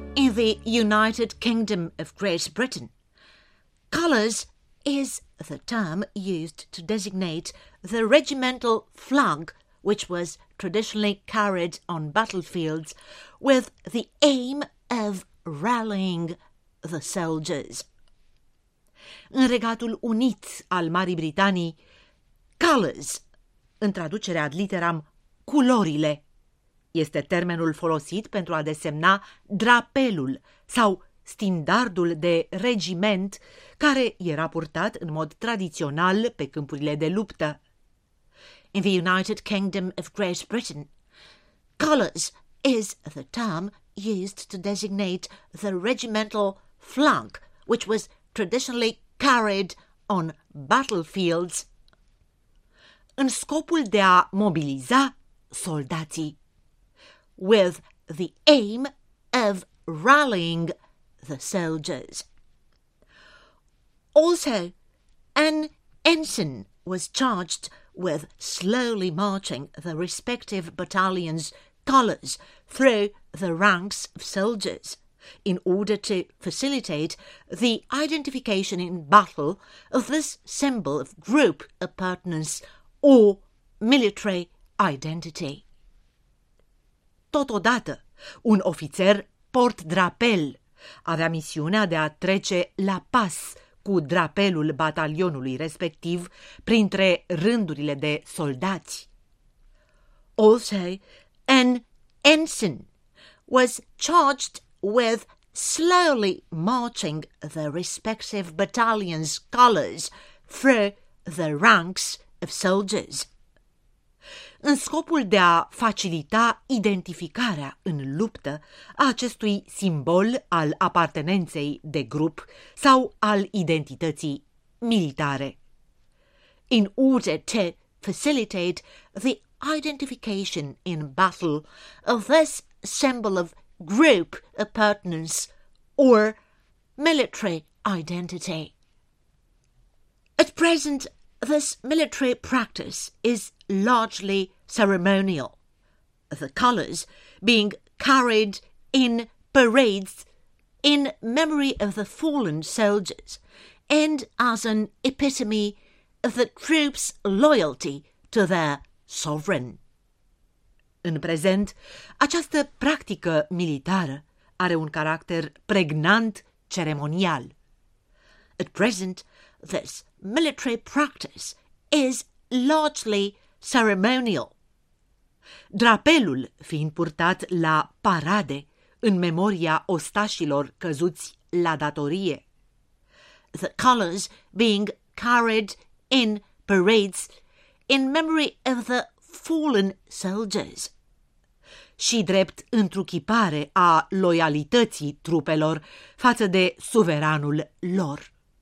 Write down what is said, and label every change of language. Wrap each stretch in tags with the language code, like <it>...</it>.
<en>The United Kingdom of Great Britain. Colours is the term used to designate the regimental flag which was traditionally carried on battlefields with the aim of rallying the soldiers.</en> <ro>În Regatul Unit al Marii Britanii, colours, în traducere ad literam culorile, este termenul folosit pentru a desemna drapelul sau standardul de regiment care era purtat în mod tradițional pe câmpurile de luptă.</ro> <en>In the United Kingdom of Great Britain, colours is the term used to designate the regimental flag which was traditionally carried on battlefields.</en> <ro>În scopul de a mobiliza soldații,</ro> <en>with the aim of rallying the soldiers. Also, an ensign was charged with slowly marching the respective battalions' colours through the ranks of soldiers in order to facilitate the identification in battle of this symbol of group appartenance or military identity.</en> <ro>Totodată, un ofițer port-drapel avea misiunea de a trece la pas cu drapelul batalionului respectiv printre rândurile de soldați.</ro> <en>Also, an ensign was charged with slowly marching the respective battalion's colours through the ranks of soldiers.</en> <ro>În scopul de a facilita identificarea în luptă a acestui simbol al apartenenței de grup sau al identității militare.</ro> <en>In order to facilitate the identification in battle of this symbol of group appurtenance or military identity. At present, this military practice is largely ceremonial, the colours being carried in parades in memory of the fallen soldiers and as an epitome of the troops' loyalty to their sovereign.</en> <ro>În prezent, această practică militară are un caracter pregnant ceremonial.</ro> <en>At present, this military practice is largely ceremonial.</en> <ro>Drapelul fiind purtat la parade în memoria ostașilor căzuți la datorie.</ro> <en>The colors being carried in parades in memory of the fallen soldiers.</en> <ro>Și drept întruchipare a loialității trupelor față de suveranul lor.</ro>